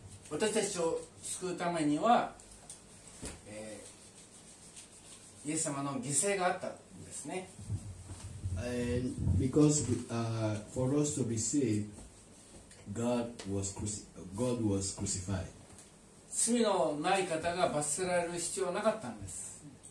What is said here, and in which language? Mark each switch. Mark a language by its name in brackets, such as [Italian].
[Japanese] 私たちを救うためには、イエス様の犠牲があったんですね。 [English] And because for us to be saved, God was crucified. [Japanese] 罪のない方が罰せられる必要はなかったんです。